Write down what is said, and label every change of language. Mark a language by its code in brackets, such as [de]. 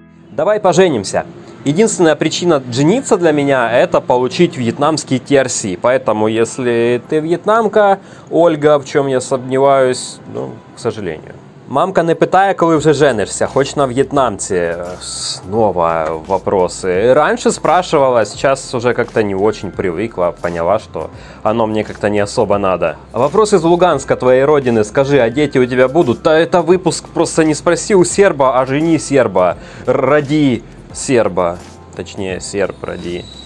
[ru] Давай поженимся. Единственная причина жениться для меня – это получить вьетнамские TRC. Поэтому, если ты вьетнамка, Ольга, в чем я сомневаюсь, ну, к сожалению. [uk] Мамка не питає, коли вже женишся, хоч на в'єтнамці. [ru] Снова вопросы. Раньше спрашивала, сейчас уже как-то не очень привыкла, поняла, что оно мне как-то не особо надо. Вопрос из Луганска, твоей родины. Скажи, а дети у тебя будут? Да это выпуск, просто не спроси у серба, а жени серба. Роди серба. Точнее, серб роди.